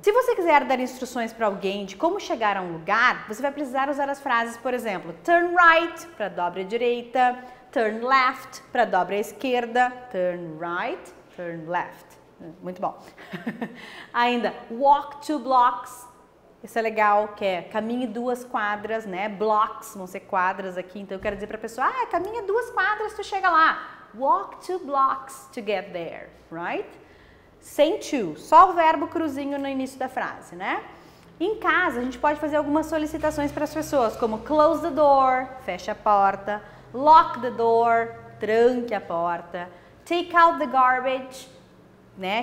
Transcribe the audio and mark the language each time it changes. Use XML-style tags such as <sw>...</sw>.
<pt>Se você quiser dar instruções para alguém de como chegar a um lugar, você vai precisar usar as frases, por exemplo,</pt> <en>turn right,</en> <pt>para dobra à direita,</pt> <en>turn left,</en> <pt>para dobra à esquerda,</pt> <en>turn right, turn left.</en> <pt>Muito bom. Ainda,</pt> <en>walk two blocks.</en> <pt>Isso é legal, que é caminhe duas quadras, né? Blocks vão ser quadras aqui. Então, eu quero dizer para a pessoa, caminha duas quadras, tu chega lá.</pt> <en>Walk two blocks to get there, right?</en> <pt>Sem to, só o verbo cruzinho no início da frase, né? Em casa, a gente pode fazer algumas solicitações para as pessoas, como</pt> <en>close the door,</en> <pt>fecha a porta,</pt> <en>lock the door,</en> <pt>tranque a porta,</pt> <en>take out the garbage,</en> <pt>né?</pt>